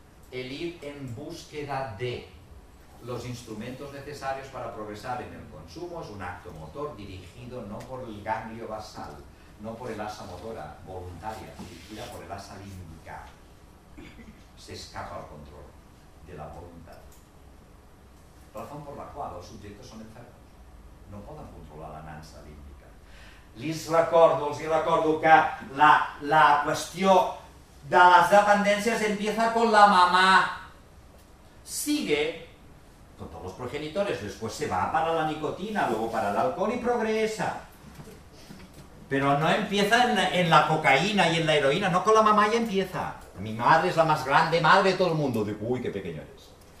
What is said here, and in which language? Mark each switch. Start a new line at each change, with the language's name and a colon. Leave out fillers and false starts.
Spanish: El ir en búsqueda de los instrumentos necesarios para progresar en el consumo es un acto motor dirigido no por el ganglio basal, no por el asa motora voluntaria, dirigida por el asa límbica. Se escapa al control de la voluntad. Razón por la cual los sujetos son enfermos. No pueden controlar la nansa límbica.
Catalan: Les recordo, els recordo que la qüestió de les dependències
Spanish: empieza con la mamá. Sigue con todos los progenitores, después se va para la nicotina, luego para el alcohol y progresa. Pero no empieza en la cocaína y en la heroína, no con la mamá ya empieza. Mi madre es la más grande madre de todo el mundo. Digo, uy, qué pequeño eres.